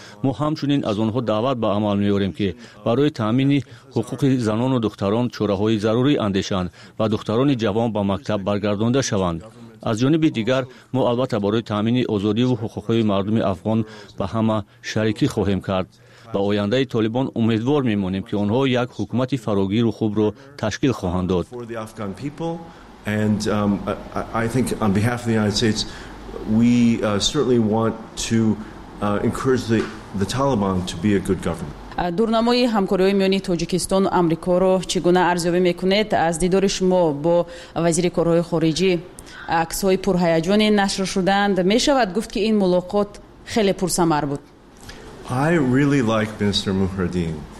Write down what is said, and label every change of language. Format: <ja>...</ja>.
<fa>ما همچنین از آنها دعوت به عمل میاریم که برای تامین حقوق زنان و دختران چاره های ضروری اندیشند و دختران جوان به مکتب برگردانده شوند. از جانب دیگر ما البته برای تامین آزادی و حقوق مردم افغان به همه شریکی خواهیم کرد. با آینده طالبان امیدوار میمانیم که آنها یک حکومت فراگیر و خوب را تشکیل خواهند داد.</fa> <en>And I think on behalf of the United States, we certainly want to encourage the Taliban to be a good government.</en> <fa>دورنمای همکاری میانی تاجیکستان و آمریکا را چگونه ارزیابی میکنید؟ از دیدار شما با وزیر کارهای خارجی عکس های پرهیجان نشر شدند. میشود گفت که این ملاقات خیلی پرثمر بود.</fa> <en>I really like Mr. Mohreddin.</en>